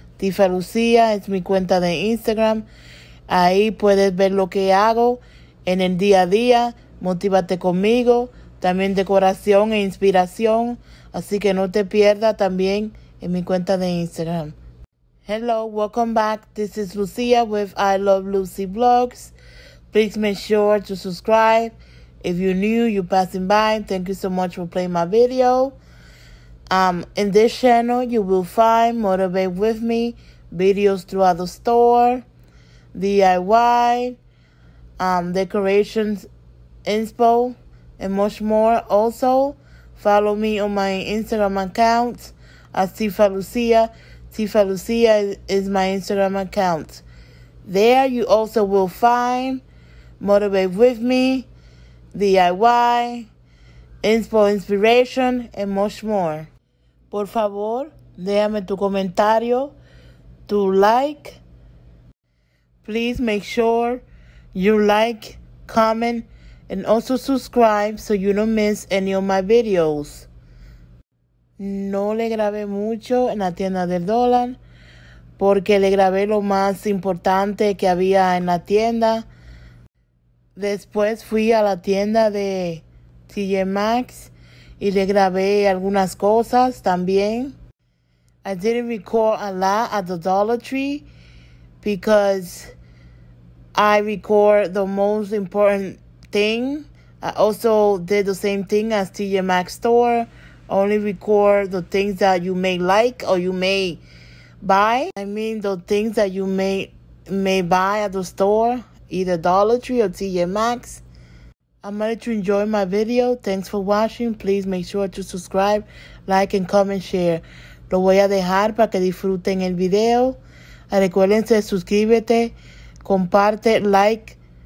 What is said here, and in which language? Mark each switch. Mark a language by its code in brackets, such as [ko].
[es] Tifa Lucía es mi cuenta de Instagram. Ahí puedes ver lo que hago en el día a día, Motívate conmigo, también decoración e inspiración. Así que no te pierdas también en mi cuenta de Instagram. [en] Hello, welcome back. This is Lucía with I Love Lucy Blogs. Please make sure to subscribe. If you're new, you're passing by, thank you so much for playing my video. In this channel, you will find Motivate With Me, videos throughout the store, DIY, decorations, inspo, and much more. Also, follow me on my Instagram account at Tifa Lucía. Tifa Lucía is my Instagram account. There, you also will find Motivate With Me, DIY, inspo, inspiration, and much more. [es] Por favor, déjame tu comentario, tu like. [en] Please make sure you like, comment, and also subscribe so you don't miss any of my videos. [es] No le grabé mucho en la tienda del dólar porque le grabé lo más importante que había en la tienda. Después fui a la tienda de tjmaxx y le grabé algunas cosas también. [en] I didn't record a lot at the Dollar Tree because I record the most important thing. I also did the same thing as tjmaxx store. Only record the things that you may like or you may buy. I mean the things that you may buy at the store. Either Dollar Tree or tjmaxx. I'm ready to enjoy my video. Thanks for watching. Please make sure to subscribe, like, and comment, share. [es] Lo voy a dejar para que disfruten el video. Recuerden suscríbete, comparte, like.